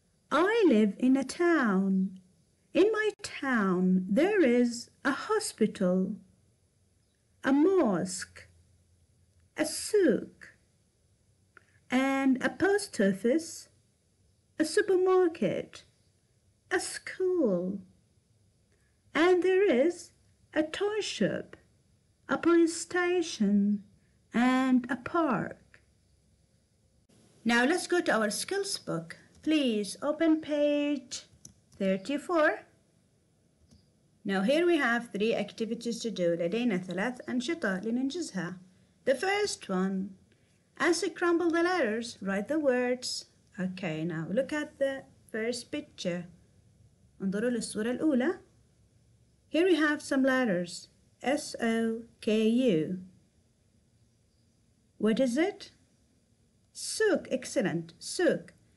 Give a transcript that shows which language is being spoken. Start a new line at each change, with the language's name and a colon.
English: I live in a town. In my town, there is a hospital, a mosque, a souk, and a post office, a supermarket, a school, and there is a toy shop, a police station, and a park. Now let's go to our skills book. Please open page 34. Now here we have three activities to do.
Arabic: لدينا ثلاث أنشطة لننجزها.
English: The first one, as you crumble the letters, write the words. Okay, now look at the first picture.
Arabic: انظروا للصورة الأولى.
English: Here we have some letters. S-O-K-U. What is it? Souk. Excellent. Souk.